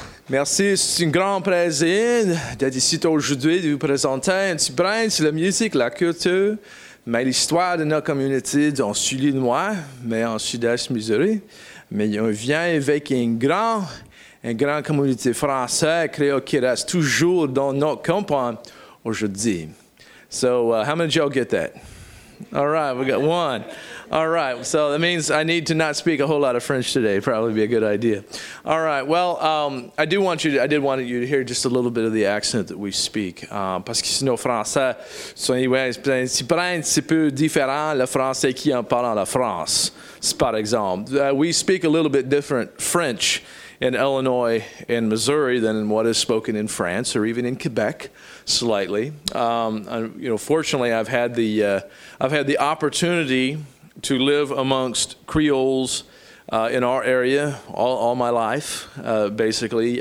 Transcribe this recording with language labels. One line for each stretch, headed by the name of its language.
French: Merci, c'est un grand plaisir d'être ici aujourd'hui, de vous présenter un petit brin sur la musique, la culture, mais l'histoire de notre communauté dans Sud-Illinois, mais en Sud-Est Missouri. Mais on vient avec une grande communauté française, créole, qui reste toujours dans notre campagne aujourd'hui.
English: So, how many of y'all get that? All right, we got one. All right, so that means I need to not speak a whole lot of French today. Probably be a good idea. All right, well, I did want you to hear just a little bit of the accent that we speak.
French: Parce que sinon, français, c'est un petit peu différent le français qui en parle en la France, par exemple.
English: We speak a little bit different French in Illinois and Missouri than what is spoken in France or even in Quebec, slightly. Fortunately, I've had the opportunity to live amongst Creoles in our area all my life, basically.